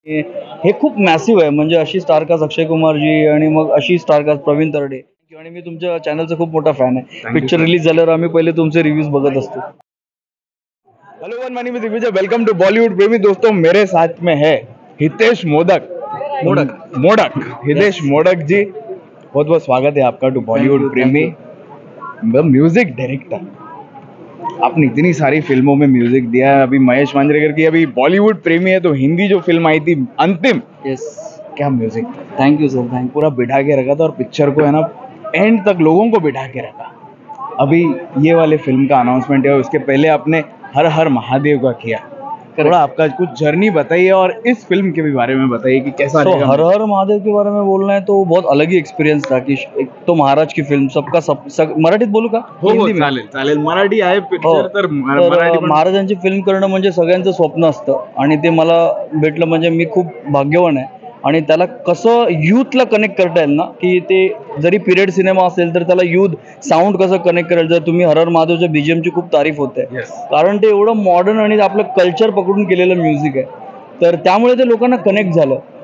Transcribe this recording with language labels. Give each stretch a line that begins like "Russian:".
Marathi: हे खूप मॅसिव्ह आहे, म्हणजे अशी स्टारकास्ट अक्षय कुमार जी आणि मग अशी स्टारकास्ट प्रवीण तरडे. आणि मी तुमच्या चॅनलचा खूप मोठा फॅन आहे. पिक्चर रिलीज झाल्यावर आम्ही पहिले तुमचे रिव्ह्यूज बघत असतो.
English: Hello वन मॅनी, मी दिग्विजय, वेलकम टू बॉलिवूड प्रेमी.
Hindi: दोस्तो, मेरे साथ में है हितेश मोदक. मोडक, हितेश मोडक जी, बहुत बहुत स्वागत है आपका टू बॉलीवुड प्रेमी. म्यूजिक डायरेक्टर, आपने इतनी सारी फिल्मों में म्यूजिक दिया है. अभी महेश मांजरेकर की, अभी बॉलीवुड प्रेमी है तो हिंदी जो फिल्म आई थी अंतिम, क्या म्यूजिक था.
English: Thank you sir, thank you.
Hindi: पूरा बिठा के रखा था और पिक्चर को है ना एंड तक लोगों को बिठा के रखा. अभी ये वाले फिल्म का अनाउंसमेंट है, उसके पहले आपने हर हर महादेव का किया. थोड़ा आपका कुछ जर्नी बताइए और इस फिल्म के भी बारे में बताइए कि कैसा रहा. हर हर महादेव के बारे में बोलना है तो बहुत अलग ही एक्सपीरियंस था. कि एक तो महाराज की फिल्म, सबका सब,
Marathi: सब मराठीत बोलू का हो,
Hindi: हिंदी में
Marathi: चालेल. मराठी आहे पिक्चर तर महाराजांची फिल्म करणं म्हणजे सगळ्यांचं स्वप्न असतं आणि ते मला भेटलं म्हणजे मी खूप भाग्यवान आहे. आणि त्याला कसं यूथला कनेक्ट करता येईल ना, की ते जरी पिरियड सिनेमा असेल तर त्याला यूथ साऊंड कसं कनेक्ट करेल. जर तुम्ही हर हर महादेवच्या बीजीएमची खूप तारीफ होते, कारण ते एवढं मॉडर्न आणि आपलं कल्चर पकडून केलेलं म्युझिक आहे, तर त्यामुळे ते लोकांना कनेक्ट झालं.